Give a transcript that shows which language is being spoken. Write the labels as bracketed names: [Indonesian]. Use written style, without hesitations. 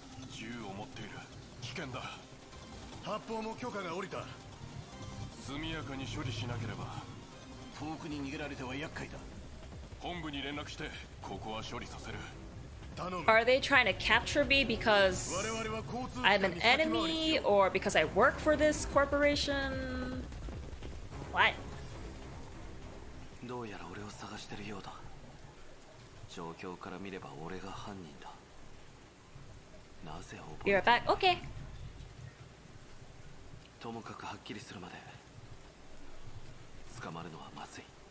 [Japanese] 銃を持っている危険だ発砲も許可が下りた速やかに処理しなければ遠くに逃げられては厄介だ本部に連絡してここは処理させる頼む [English] Are they trying to capture me because I'm an enemy or because I work for this corporation? What? [Japanese] どうやら俺を探してるようだ状況から見れば俺が犯人だなぜ覚え [English] て You're back, okay. [Japanese] ともかくはっきりするまで捕まるのはまずい。